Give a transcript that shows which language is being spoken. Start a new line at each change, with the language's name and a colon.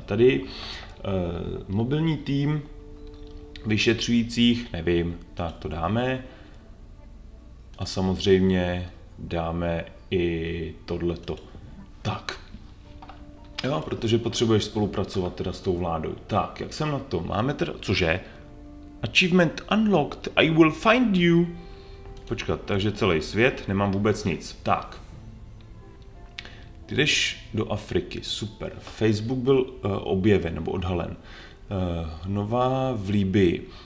Czech: A tady mobilní tým vyšetřujících, nevím, tak to dáme. A samozřejmě dáme i tohleto. Tak. Jo, protože potřebuješ spolupracovat teda s tou vládou. Tak, jak jsem na to? Máme teda, cože?
English: Achievement unlocked, I will find you.
Czech: Počkat, takže celý svět, nemám vůbec nic. Tak. Ty jdeš do Afriky, super. Facebook byl objeven, nebo odhalen. Nová v Líbii.